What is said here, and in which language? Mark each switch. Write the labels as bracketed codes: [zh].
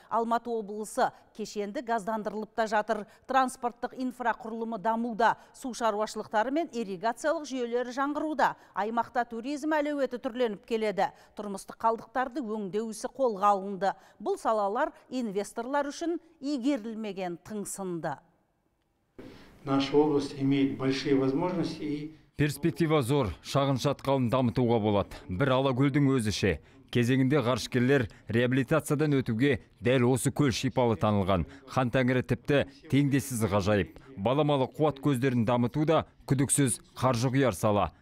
[kk] Алматы облысы кешенді газдандырылып та жатыр. Транспорттық инфрақұрылымы дамуда, су шаруашылықтары мен ирригациялық жүйелері жаңғыруда. Аймақта туризм әлеуеті түрленіп келеді. Тұрмыстық қалдықтарды өңдеу ісі қолға алынды. Бұл салалар инвесторлар үшін игерілмеген тыңсынды. [ru] Наша область имеет большие возможности и [kk] перспектива зор. Шағын шатқалын дамытуға болады. Бір Алакөлдің өзіше. Кезеңінде ғарышкерлер реабилитациядан өтуге дәл осы көл шипалы танылған. Хан Тәңірі тіпті теңдессіз ғажайып. Баламалы қуат көздерін дамыту да күдіксіз қаржы құяр сала.